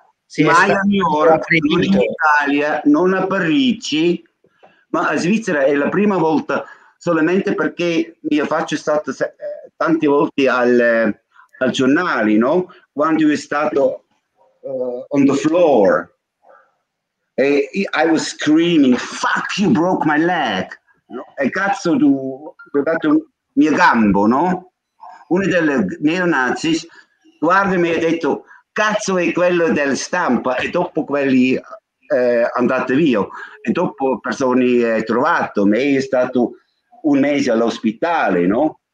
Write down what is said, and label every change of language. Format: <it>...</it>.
<it>Sì, mai ancora, non in Italia, non a Parigi, ma a Svizzera è la prima volta, solamente perché io faccio stato tante volte al giornale, no? Quando io stato</it> <en>on the floor. E I was screaming, fuck you, broke my leg.</en> <it>No? E cazzo, tu hai fatto mio gambo, no? Uno dei neonazi guarda e ha detto, cazzo è quello della stampa. E dopo quelli andate via. E dopo persone trovato, ma è stato un mese all'ospitale, no?</it>